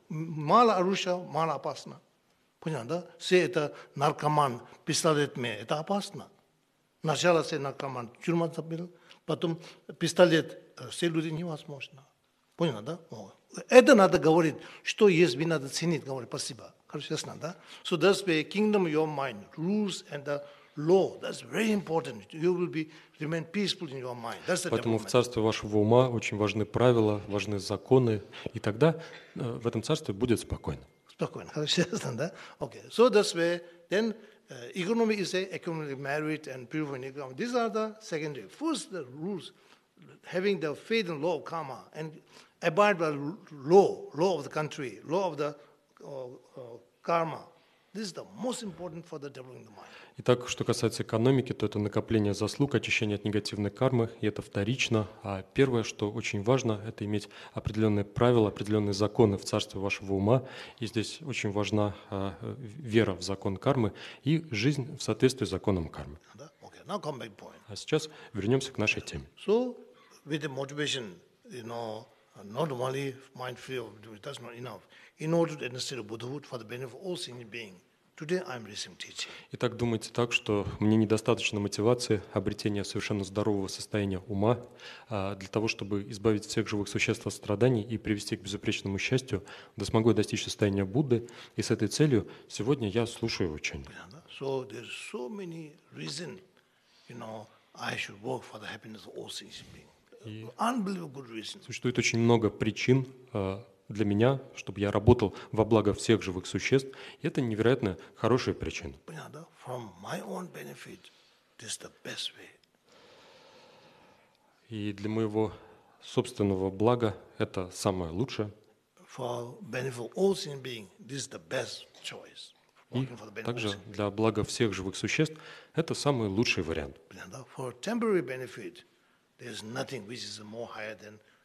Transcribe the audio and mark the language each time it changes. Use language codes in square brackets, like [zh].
[ru] Мало оружия, мало опасно, понял, да? Все это наркоман, пистолетами, это опасно. Сначала все наркоман, тюрьма забил, потом пистолет, все люди невозможно, понял, да? Это надо говорить, что есть, мне надо ценить, говорить, спасибо. Короче, ясно, да? [en] So that's the kingdom of your mind, rules and the law, that's very important. You will be remain peaceful in your mind. That's the [ru] Поэтому development. В царстве вашего ума очень важны правила, важны законы, и тогда в этом царстве будет спокойно. Спокойно, хорошо, да? Okay. [en] So that's where then economy is a economic merit and purify economy. These are the secondary. First, the rules, having the faith in law of karma and abide by law of the country, law of the karma. This is the most important for the developing the mind. [ru] Итак, что касается экономики, то это накопление заслуг, очищение от негативной кармы, и это вторично. А первое, что очень важно, это иметь определенные правила, определенные законы в царстве вашего ума. И здесь очень важна вера в закон кармы и жизнь в соответствии с законом кармы. [en] Okay, now come back point. [ru] А сейчас вернемся к нашей теме. [en] So, with the motivation, you know, not only mind free, that's not enough. In order to understand Buddhahood for the benefit of all sentient beings, today I'm receiving teaching. [ru] Итак, думайте так, что мне недостаточно мотивации обретения совершенно здорового состояния ума для того, чтобы избавить всех живых существ от страданий и привести к безупречному счастью, да смогу я достичь состояния Будды, и с этой целью сегодня я слушаю учение. [en] So there's so many reasons, you know, I should work for the happiness of all sentient beings. Unbelievable good reasons. [ru] Существует очень много причин. Для меня, чтобы я работал во благо всех живых существ, это невероятно хорошая причина. Понятно, да? [en] From my own benefit, this is the best way. [ru] И для моего собственного блага это самое лучшее. [en] For benefit of all sentient beings, this is the best choice. [ru] И также для блага всех живых существ это самый лучший вариант. Понятно, да? [en] For temporary benefit, there is nothing which is more higher than